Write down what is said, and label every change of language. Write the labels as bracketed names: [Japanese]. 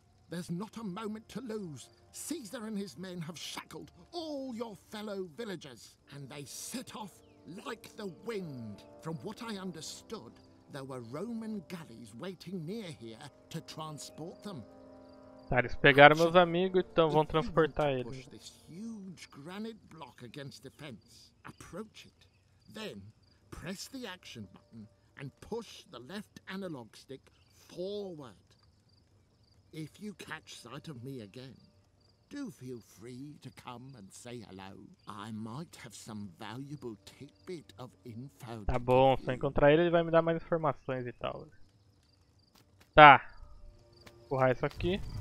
[English] There's not a moment to lose. Caesar and his men have shackled all your fellow villagers, and they set off like the wind. From what I understood, there were Roman galleys waiting near here to transport them. [Portuguese] Tá, eles pegaram meus amigos, então vão transportar eles. [English] Push this huge granite block against the fence. Approach it. Then press the action button and push the left analog stick forward. If you catch sight of me again, do feel free to come and say hello. I might have some valuable tidbit of info. [Portuguese] Tá bom, se eu encontrar ele, ele vai me dar mais informações e tal. Tá. Empurrar isso aqui.